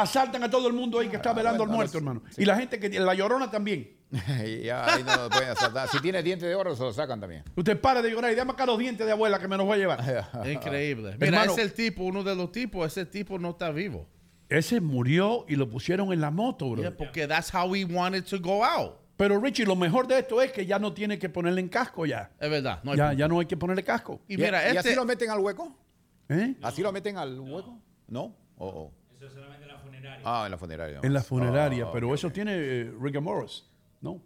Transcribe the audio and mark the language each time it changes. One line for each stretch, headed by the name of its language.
Spanish: Asaltan a todo el mundo ahí que está velando al muerto, hermano. Sí. Y la gente que la llorona también. Ya, ahí no lo pueden asaltar. Si tiene dientes de oro, se lo sacan también. Usted para de llorar y déjame acá los dientes de abuela que me los voy a llevar. Increíble. Mira, hermano, es el tipo, uno de los tipos, ese tipo no está vivo. Ese murió y lo pusieron en la moto, bro.
English: Yeah, porque that's how he wanted to go out.
Spanish: Pero Richie, lo mejor de esto es que ya no tiene que ponerle en casco ya. Es verdad. No hay ya no hay que ponerle casco. Y mira, ¿y así lo meten al hueco? ¿Eh? No. ¿Así lo meten al hueco? ¿No? ¿No? Oh. Eso se lo meten en la funeraria. Ah, en la funeraria. En la funeraria, eso tiene rigor mortis. No.